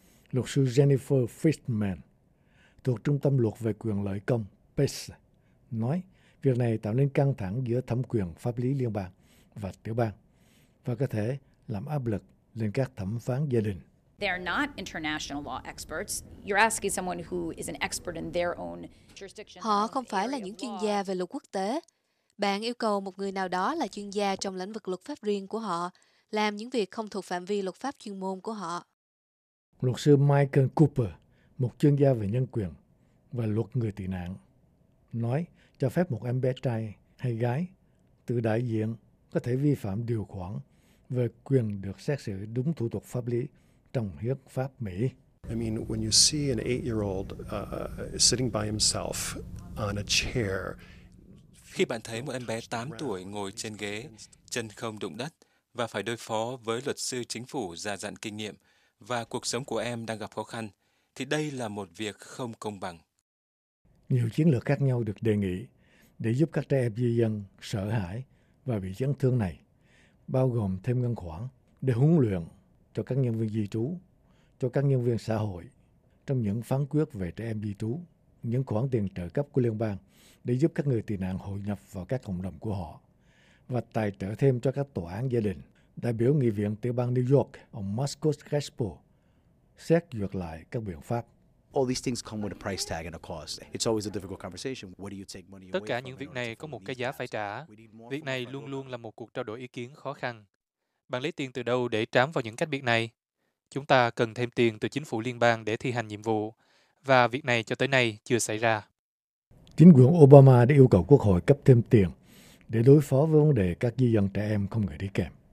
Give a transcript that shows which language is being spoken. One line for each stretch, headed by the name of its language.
Vietnamese: Luật sư Jennifer Fishman thuộc Trung tâm Luật về Quyền lợi công PACE nói việc này tạo nên căng thẳng giữa thẩm quyền pháp lý liên bang và tiểu bang và có thể làm áp lực lên các thẩm phán gia đình.
English: They are not international law experts. You're asking someone who is an expert in their own jurisdiction.
Vietnamese: Họ không phải là những chuyên gia về luật quốc tế. Bạn yêu cầu một người nào đó là chuyên gia trong lĩnh vực luật pháp riêng của họ, làm những việc không thuộc phạm vi luật pháp chuyên môn của họ. Luật sư Michael Cooper, một chuyên gia về nhân quyền và luật người tị nạn, nói cho phép một em bé trai hay gái tự đại diện có thể vi phạm điều khoản về quyền được xét xử đúng thủ tục pháp lý trong hiến pháp Mỹ.
English: I mean, when you see an 8-year-old sitting by himself on a chair.
Vietnamese: Khi bạn thấy một em bé 8 tuổi ngồi trên ghế, chân không đụng đất và phải đối phó với luật sư chính phủ già dặn kinh nghiệm và cuộc sống của em đang gặp khó khăn, thì đây là một việc không công bằng. Nhiều chiến lược khác nhau được đề nghị để giúp các trẻ em di dân sợ hãi và bị chấn thương này, bao gồm thêm ngân khoản để huấn luyện cho các nhân viên di trú, cho các nhân viên xã hội trong những phán quyết về trẻ em di trú, những khoản tiền trợ cấp của liên bang để giúp các người tị nạn hội nhập vào các cộng đồng của họ và tài trợ thêm cho các tòa án gia đình. Đại biểu nghị viện tiểu bang New York, ông Marcos Crespo, xét duyệt lại các biện pháp.
English: All these things come with a price tag and a cost. It's always a difficult conversation. What do you take money away?
Vietnamese: Tất cả những việc này có một cái giá phải trả. Việc này luôn luôn là một cuộc trao đổi ý kiến khó khăn. Bạn lấy tiền từ đâu để trám vào những cách biết này? Chúng ta cần thêm tiền từ chính phủ liên bang để thi hành nhiệm vụ. Và việc này cho tới nay chưa xảy ra. Chính quyền Obama đã yêu cầu Quốc hội cấp thêm tiền để đối phó với vấn đề các di dân trẻ em không người đi kèm.